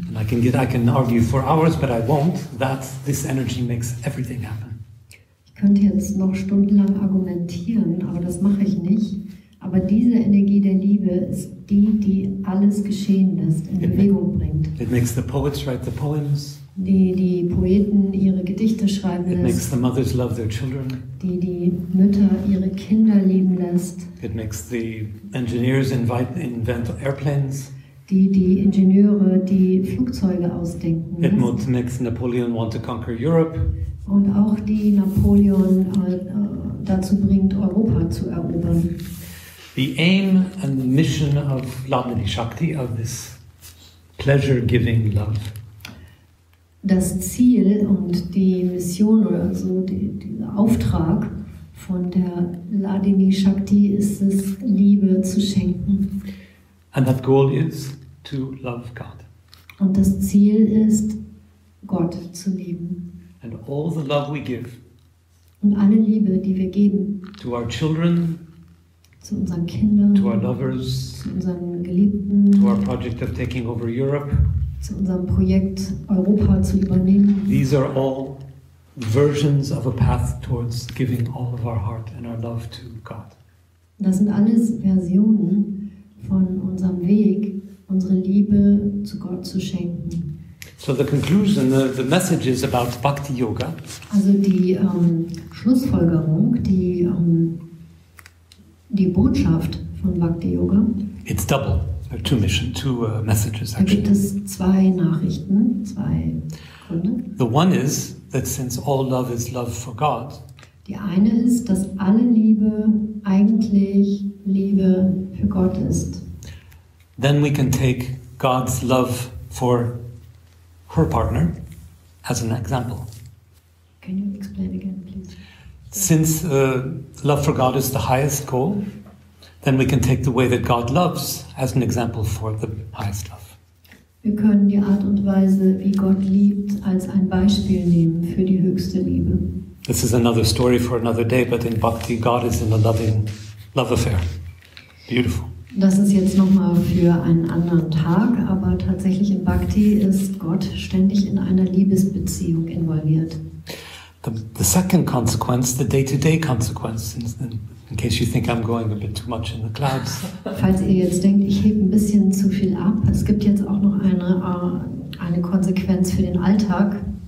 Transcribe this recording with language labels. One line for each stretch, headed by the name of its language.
English: And I can argue for hours, but I won't, that this energy makes everything happen.
German: Ich könnte jetzt noch stundenlang argumentieren, aber das mache ich nicht. Aber diese Energie der Liebe ist die, die alles geschehen lässt, in Bewegung bringt.
English: It makes the poets write the poems.
German: Die Poeten ihre Gedichte schreiben lässt.
English: It makes the mothers love their children.
German: Die Mütter ihre Kinder lieben lässt.
English: It makes the engineers invent airplanes.
German: Die Ingenieure die Flugzeuge ausdenken.
English: It makes Napoleon want to conquer Europe.
German: Und auch die Napoleon dazu bringt, Europa zu erobern.
English: The aim and the mission of Ladini Shakti, of this pleasure-giving love.
German: Das Ziel und die Mission oder so, dieser Auftrag von der Ladini Shakti ist es, Liebe zu schenken.
English: And that goal is to love God.
German: Und das Ziel ist, Gott zu lieben.
English: And all the love we give.
German: Und alle Liebe, die wir geben.
English: To our children.
German: Zu unseren Kindern.
English: To our lovers.
German: Zu unseren Geliebten.
English: To our project of taking over Europe.
German: Zu unserem Projekt Europa zu übernehmen.
English: These are all versions of a path towards giving all of our heart and our love to God.
German: Das sind alles Versionen von unserem Weg, unsere Liebe zu Gott zu schenken.
English: So the conclusion, the message is about Bhakti Yoga.
German: Also die Schlussfolgerung, die die Botschaft von Bhakti Yoga.
English: It's double. There are two missions, two messages actually.
German: Da gibt es zwei Nachrichten, zwei Gründe.
English: The one is that since all love is love for God.
German: Die eine ist, dass alle Liebe eigentlich Liebe für Gott ist.
English: Then we can take God's love for her partner as an example. Can you explain again, please? Since love for God is the highest goal, then we can take the way that God loves as an example for the highest love.
German: Wir können die Art und Weise, wie Gott liebt, als ein Beispiel nehmen für die höchste Liebe.
English: This is another story for another day, but in Bhakti, God is in a loving love affair. Beautiful.
German: Das ist jetzt nochmal für einen anderen Tag, aber tatsächlich in Bhakti ist Gott ständig in einer Liebesbeziehung involviert.
English: The second consequence, the day-to-day consequence, in case you think I'm going a bit too much in the clouds.
German: Falls ihr jetzt denkt, ich hebe ein bisschen zu viel ab, es gibt jetzt auch noch eine Konsequenz für den Alltag.